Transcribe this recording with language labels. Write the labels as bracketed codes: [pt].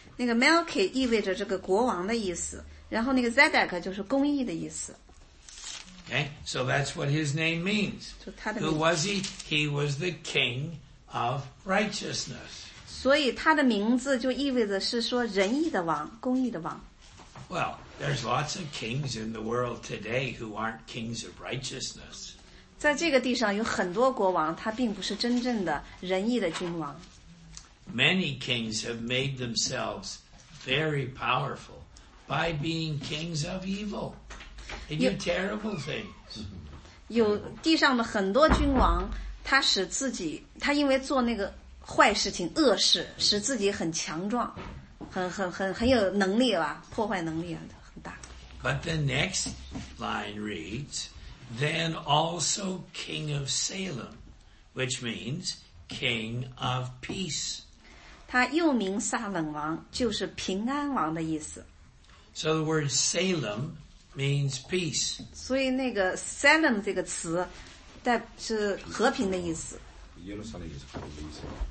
[zh] 那个 Melchi 意味着这个国王的意思，然后那个 Zedek 就是公义的意思。 [en] Okay, so that's what his name means. Who was he? He was the king of righteousness. [zh] 所以他的名字就意味着是说仁义的王，公义的王。 [en] Well, there's lots of kings in the world today who aren't kings of righteousness. [zh] 在这个地上有很多国王，他并不是真正的仁义的君王。 [en] Many kings have made themselves very powerful by being kings of evil. They do terrible things. [zh] 有地上的很多君王，他使自己，他因为做那个坏事情、恶事，使自己很强壮，很有能力吧，破坏能力很大。 [en] But the next line reads, "Then also king of Salem, which means king of peace." [zh] 他又名撒冷王，就是平安王的意思。 [en] So the word Salem. Means peace. [zh] 所以那个 Salem 这个词，代是和平的意思。耶路撒冷也是和平的意思。